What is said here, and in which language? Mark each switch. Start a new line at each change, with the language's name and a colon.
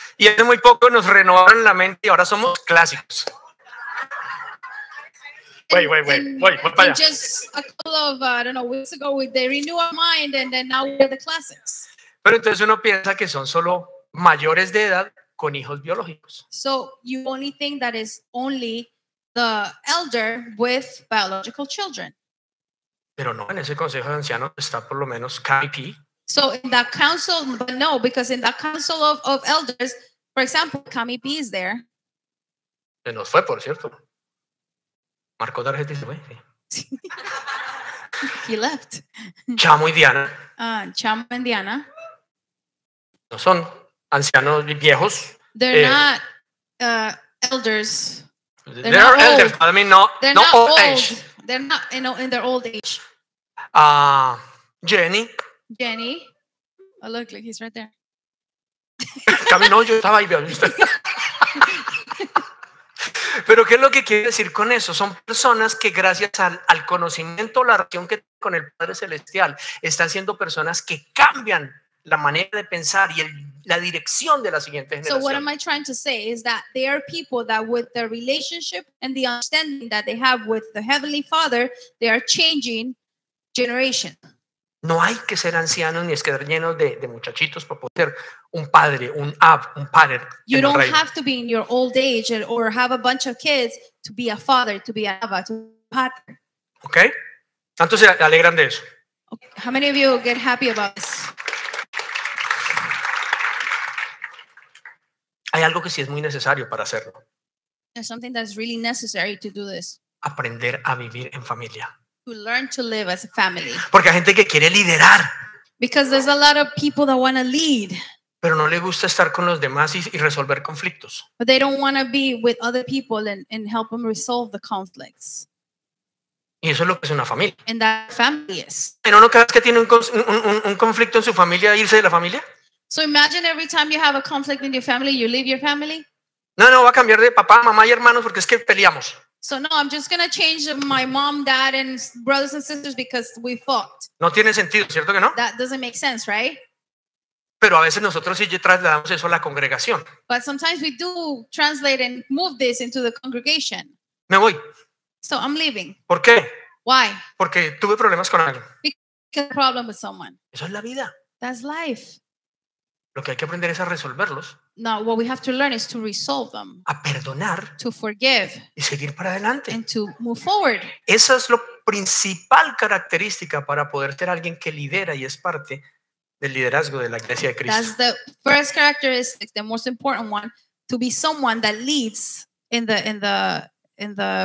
Spanish: Y hace muy poco nos renovaron la mente y ahora somos clásicos.
English: And just a couple of, I don't know, weeks ago, they renewed our mind and then now we're the classics.
Spanish: Pero entonces uno piensa que son solo mayores de edad con hijos biológicos.
English: So you only think that is only the elder with biological children.
Spanish: Pero no, en ese consejo de ancianos está por lo menos KIP.
English: So in that council, but no, because in that council of elders, for example, KIP is there.
Spanish: Se nos fue, por cierto. Marcó tarjeta y se fue. Sí.
English: He left.
Spanish: Chamo y Diana. Chamo y Diana. No son ancianos viejos.
English: They're not elders. They're not elders. Old. I mean, not old. They're not in their old age. Jenny. Oh, look, he's right there.
Spanish: Camino, yo estaba ahí viendo usted. Pero ¿qué es lo que quiere decir con eso? Son personas que gracias al conocimiento, la relación que tienen con el Padre Celestial, están siendo personas que cambian la manera de pensar y la dirección de la siguiente generación.
English: So what am I trying to say is that there are people that with the relationship and the understanding that they have with the Heavenly Father, they are changing generation.
Spanish: No hay que ser ancianos ni es quedar llenos de muchachitos para poder ser un padre, un ab, un padre.
English: You don't have to be in your old age or have a bunch of kids to be a father, to be an abba, to be a padre. Okay.
Spanish: ¿Cuántos se alegran de eso?
English: Okay. How many of you get happy about this?
Spanish: Hay algo que sí es muy necesario para hacerlo.
English: There's something that's really necessary to do this.
Spanish: Aprender a vivir en familia.
English: To learn to live as a family.
Spanish: Porque hay gente que quiere liderar.
English: Because there's a lot of people that want to lead.
Spanish: Pero no le gusta estar con los demás y resolver conflictos.
English: But they don't want to be with other people and help them resolve the conflicts.
Spanish: Y eso es lo que es una familia.
English: And that family is.
Spanish: ¿Pero no crees que tiene un conflicto en su familia irse de la familia?
English: So imagine every time you have a conflict in your family, you leave your family.
Spanish: No, va a cambiar de papá, mamá y hermanos porque es que peleamos.
English: So no, I'm just going to change my mom, dad, and brothers and sisters because we fought.
Spanish: No tiene sentido, ¿cierto que no?
English: That doesn't make sense, right?
Spanish: Pero a veces nosotros sí trasladamos eso a la congregación.
English: But sometimes we do translate and move this into the congregation.
Spanish: Me voy.
English: So I'm leaving.
Spanish: ¿Por qué?
English: Why?
Spanish: Porque tuve problemas con alguien.
English: Because I had a problem with someone.
Spanish: Eso es la vida.
English: That's life.
Spanish: Lo que hay que aprender es a resolverlos.
English: Now, what we have to learn is to resolve them.
Spanish: A perdonar.
English: To forgive.
Spanish: Y seguir para adelante.
English: And to move forward.
Spanish: Esa es la principal característica para poder ser alguien que lidera y es parte del liderazgo de la Iglesia de Cristo.
English: That's the first characteristic, the most important one, to be someone that leads in the